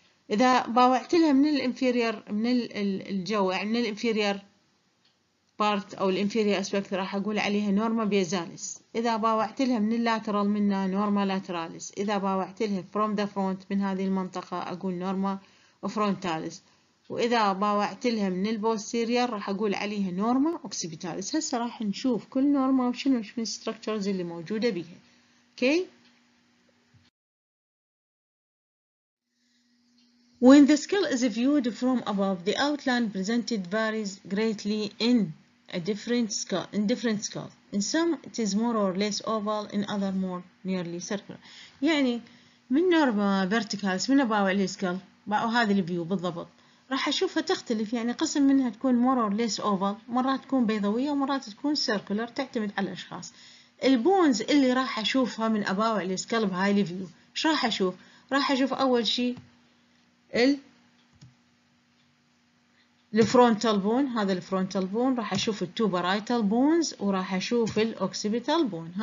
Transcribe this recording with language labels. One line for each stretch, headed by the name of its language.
Arabic: اذا باوعت لها من الانفيرير، من الجو يعني من الانفيرير بارت او الانفيرير اسبكت، راح اقول عليها نورما بيزاليس. اذا باوعت لها من اللاترال منها نورما لاتراليس. اذا باوعت لها
English: from the front
Arabic: من هذه المنطقة اقول نورما فرونتاليس. واذا باوعت لها من البوستيرير راح اقول عليها نورما اوكسيبيتاليس. هسه راح نشوف كل نورما وشنو من الستركتشرز اللي موجودة بيها.
English: Okay, when the skull is viewed from above, the outline presented varies greatly in different skulls. In some it is more or less oval, in other more nearly circular.
Arabic: يعني من نورما verticalis من باوع السكال، باوع هذه الفيو بالضبط، راح اشوفها تختلف. يعني قسم منها تكون
English: more or less oval،
Arabic: مرات تكون بيضوية ومرات تكون circular، تعتمد على الاشخاص. البونز اللي راح اشوفها من اباوع السكال بهاي الفيو، ايش راح اشوف؟ راح اشوف اول شيء الفرونتال بون، هذا الفرونتال بون، راح اشوف التوبرايتال بونز، وراح اشوف الاوكسيبيتال بون.